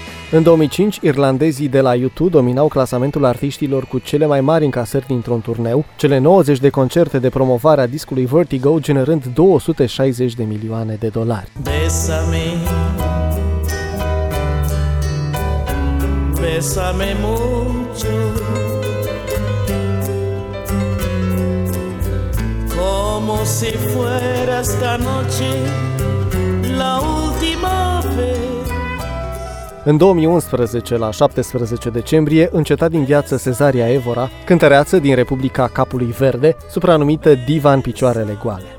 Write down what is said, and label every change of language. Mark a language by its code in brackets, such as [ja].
[ro] În 2005, irlandezii de la U2 dominau clasamentul artiștilor cu cele mai mari încasări dintr-un turneu, cele 90 de concerte de promovare a discului Vertigo generând 260 de milioane de dolari. [es] Besame, besame mucho, como si fuera esta noche la última vez. [ro] În 2011, la 17 decembrie, înceta din viață Cesaria Evora, cântăreață din Republica Capului Verde, supranumită Diva în picioarele goale.